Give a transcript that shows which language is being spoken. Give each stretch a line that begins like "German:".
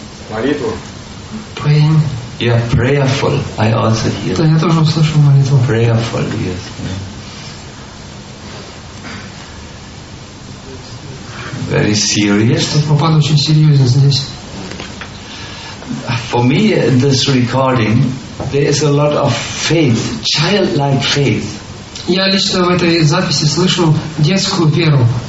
Russian: Молитву.
English: Praying. Yeah, prayerful. I also hear.
Russian: Да, я тоже услышал молитву.
English: Prayerful, yes. Very serious.
Russian: Что Прабхупада очень серьезен здесь.
English: For me, in this recording, there is a lot of faith, childlike faith.
Russian: Я лично в этой записи слышу детскую веру.